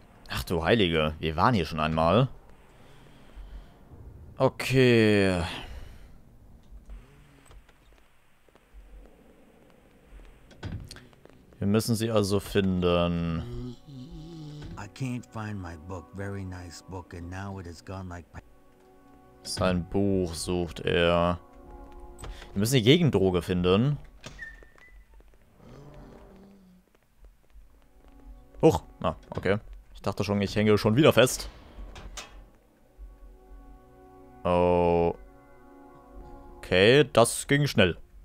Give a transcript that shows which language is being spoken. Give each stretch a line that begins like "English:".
German: Ach du Heilige, wir waren hier schon einmal. Okay. Wir müssen sie also finden.
English: I can't find my book. Very nice book, and now it has gone like.
German: Sein Buch sucht er. Wir müssen die Gegendroge finden. Huch, na, okay. Ich dachte schon, ich hänge schon wieder fest. Oh. Okay, das ging schnell.